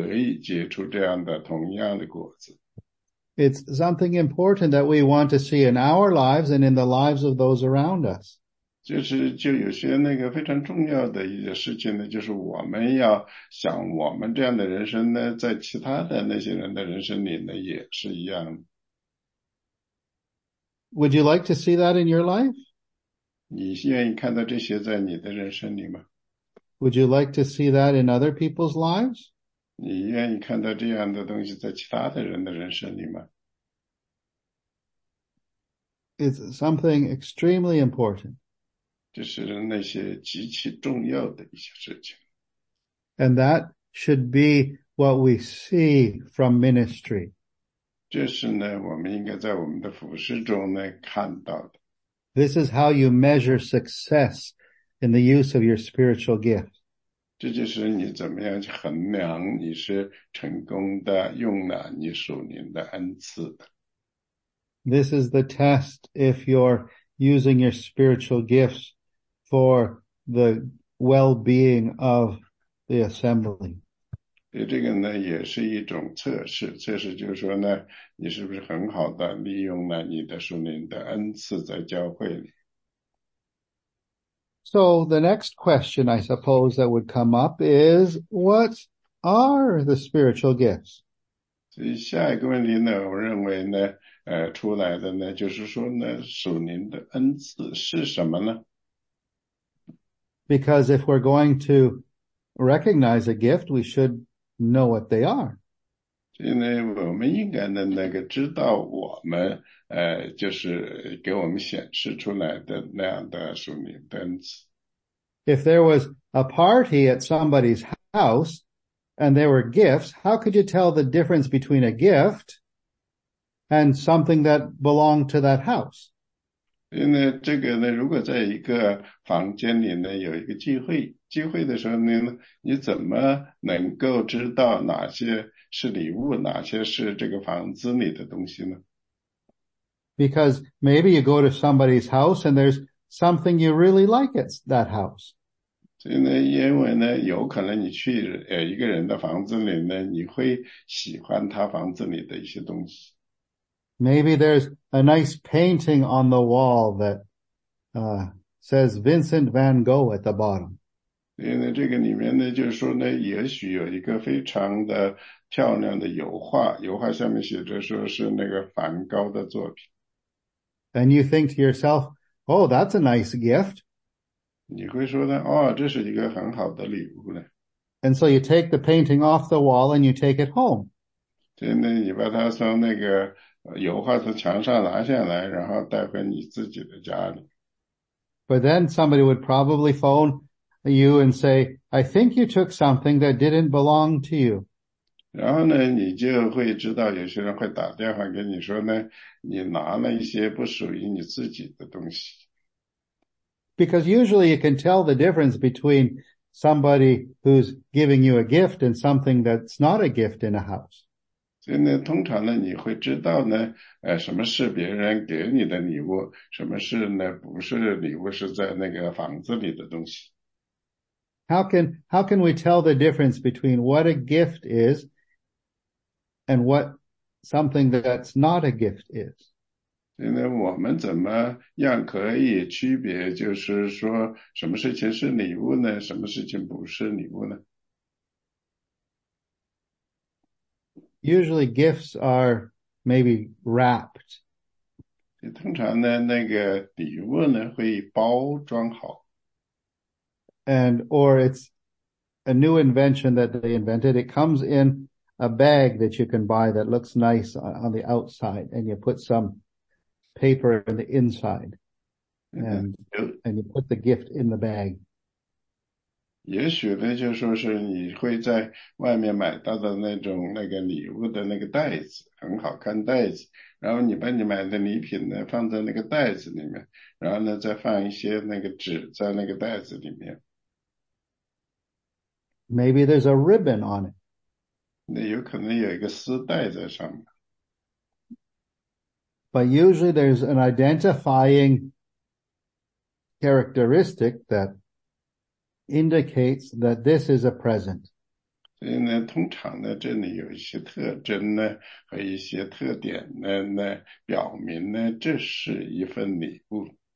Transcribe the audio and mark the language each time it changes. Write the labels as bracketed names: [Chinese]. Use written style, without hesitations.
[Chinese] 这个呢，也就是说，你我呢要像在其他的人里的人生里头去做的，这样呢，他们也可以结出这样的同样的果子。 [English] It's something important that we want to see in our lives and in the lives of those around us. [Chinese] 就是就有些那个非常重要的一些事情呢，就是我们要想我们这样的人生呢，在其他的那些人的人生里呢，也是一样。 [English] Would you like to see that in your life? [Chinese] 你愿意看到这些在你的人生里吗? [English] Would you like to see that in other people's lives? [Chinese] 你愿意看到这样的东西在其他的人的人生里吗? [English] It's something extremely important. [Chinese] 这是那些极其重要的一些事情。 [English] And that should be what we see from ministry. [Chinese] 这是呢，我们应该在我们的服事中呢看到的。 [English] This is how you measure success in the use of your spiritual gift. [Chinese] 这就是你怎么样去衡量你是成功的用了你属灵的恩赐的。 [English] This is the test if you're using your spiritual gifts for the well-being of the assembly. [Chinese] 这个呢也是一种测试，测试就是说呢，你是不是很好的利用了你的属灵的恩赐在教会里。 [English] So the next question I suppose that would come up is, what are the spiritual gifts? [Chinese] 所以下一个问题呢，我认为呢，出来的呢，就是说呢，属灵的恩赐是什么呢？ [English] Because if we're going to recognize a gift, we should know what they are. [Chinese] 所以呢，我们应该呢，那个知道我们就是给我们显示出来的那样的属灵的恩赐。 [English] If there was a party at somebody's house and there were gifts, how could you tell the difference between a gift and something that belonged to that house? [Chinese] 因为这个呢，如果在一个房间里呢，有一个聚会的时候呢，你怎么能够知道哪些是礼物，哪些是这个房子里的东西呢？ [English] Because maybe you go to somebody's house and there's something you really like at that house. [Chinese] 所以呢，因为呢，有可能你去一个人的房子里呢，你会喜欢他房子里的一些东西。 [English] Maybe there's a nice painting on the wall that says Vincent van Gogh at the bottom. [Chinese] 因为这个里面呢，就是说呢，也许有一个非常的漂亮的油画，油画下面写着说是那个梵高的作品。 [English] And you think to yourself, oh, that's a nice gift. [Chinese] 你会说呢，哦，这是一个很好的礼物呢。 [English] And so you take the painting off the wall and you take it home. [Chinese] 对呢，你把它从那个油画从墙上拿下来，然后带回你自己的家里。 [English] But then somebody would probably phone you and say, I think you took something that didn't belong to you. [Chinese] 然后呢，你就会知道有些人会打电话跟你说呢，你拿了一些不属于你自己的东西。 [English] Because usually you can tell the difference between somebody who's giving you a gift and something that's not a gift in a house. [Chinese] 所以呢，通常呢，你会知道呢，什么是别人给你的礼物，什么是呢，不是礼物，是在那个房子里的东西。 [English] How can we tell the difference between what a gift is and what something that's not a gift is? [Chinese] 现在我们怎么样可以区别，就是说什么事情是礼物呢？什么事情不是礼物呢？ [English] Usually gifts are maybe wrapped. [Chinese] 通常呢，那个礼物呢，会包装好。 [English] And or it's a new invention that they invented. It comes in a bag that you can buy that looks nice on the outside, and you put some paper on the inside, and you put the gift in the bag. [Chinese] 也许呢，就是、说是你会在外面买到的那种那个礼物的那个袋子，很好看袋子。然后你把你买的礼品呢放在那个袋子里面，然后呢再放一些那个纸在那个袋子里面。 [English] Maybe there's a ribbon on it. [Chinese] 那有可能有一个丝带在上面。 [English] But usually there's an identifying characteristic that indicates that this is a present. [Chinese] 所以呢，通常呢，这里有一些特征呢和一些特点呢，那表明呢，这是一份礼物。